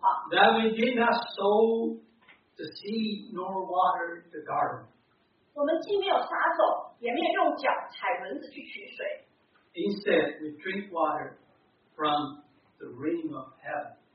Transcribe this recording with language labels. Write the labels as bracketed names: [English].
[English] That we did not sow the seed nor water the garden. [Chinese] 我们既没有撒种，也没有用脚踩轮子去取水。 [English] Instead, we drink water from the rain of heaven.